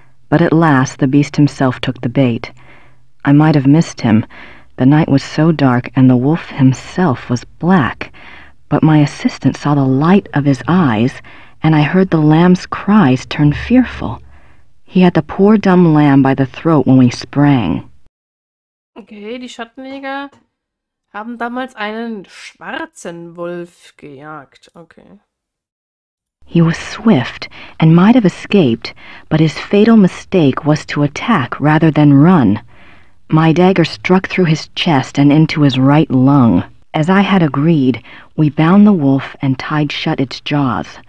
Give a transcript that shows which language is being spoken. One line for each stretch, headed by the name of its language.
English: But at last, the beast himself took the bait. I might have missed him. The night was so dark, and the wolf himself was black. But my assistant saw the light of his eyes, and I heard the lamb's cries turn fearful. He had the poor dumb lamb by the throat when we sprang.
German: Okay, die Schattenjäger haben damals einen schwarzen Wolf gejagt. Okay.
English: He was swift and might have escaped, but his fatal mistake was to attack rather than run. My dagger struck through his chest and into his right lung. As I had agreed, we bound the wolf and tied shut its jaws.